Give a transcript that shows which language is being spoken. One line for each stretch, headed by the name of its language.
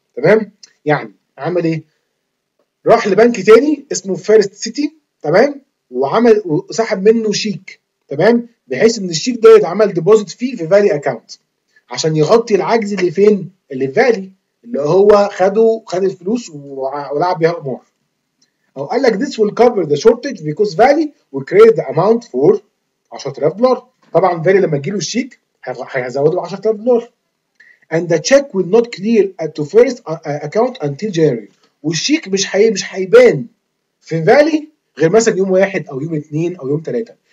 Arabic: تمام يعني عمل ايه راح لبنك تاني اسمه فيرست سيتي تمام وعمل وسحب منه شيك تمام بحيث ان الشيك ده يتعمل ديبوزيت فيه في فالي اكاونت عشان يغطي العجز اللي فين اللي في فالي اللي هو خد الفلوس ولعب بيها قمار. او قال لك
English: this will cover the shortage because Valley will create the amount for 10000 دولار.
Arabic: طبعا Valley لما تجيله الشيك هيزوده ب 10000 دولار.
English: And the check will not clear at the first account until January.
Arabic: والشيك مش هيبان في Valley غير مثلا يوم واحد او يوم اثنين او يوم ثلاثة.